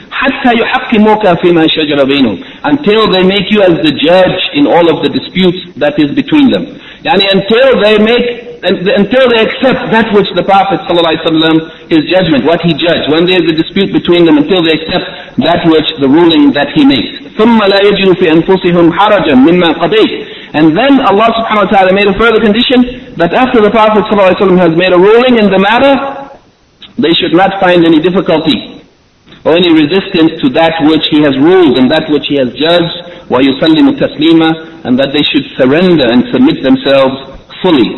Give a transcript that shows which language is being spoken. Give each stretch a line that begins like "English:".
Arabic: حَتَّى يُحَكِّمُكَ فِي مَا شَجَرَ بَيْنُهُمْ,
English: until they make you as the judge in all of the disputes that is between them. Yani until they accept that which the Prophet ﷺ, his judgment, what he judged, when there is a dispute between them, until they accept that which the ruling that he makes.
Arabic: ثُمَّ لَا يَجِدُ فِي أَنفُسِهُمْ حَرَجًا مِمَّا قَضَيْتَ.
English: And then Allah subhanahu wa ta'ala made a further condition that after the Prophet ﷺ has made a ruling in the matter, they should not find any difficulty or any resistance to that which he has ruled and that which he has judged,
Arabic: وَيُسَلِّمُ تَسْلِيمًا,
English: and that they should surrender and submit themselves fully.